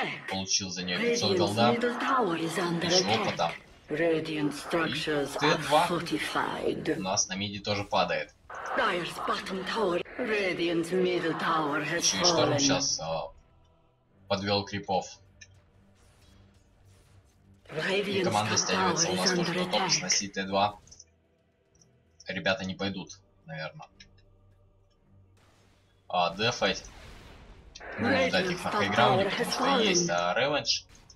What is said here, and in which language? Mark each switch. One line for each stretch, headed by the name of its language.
Russian: Получил за нее 500 голда. Еще опыта.
English: Radiant structures are fortified.
Russian: У нас на миде тоже падает.
English: Dire's bottom tower. Radiant's middle tower has fallen.
Russian: Шторм сейчас подвел крипов. И команда стягивается у нас тоже на топ сносить Т2. Ребята не пойдут, наверное. Дефайт. Ну, да, их хайграунде, потому что есть ревенж.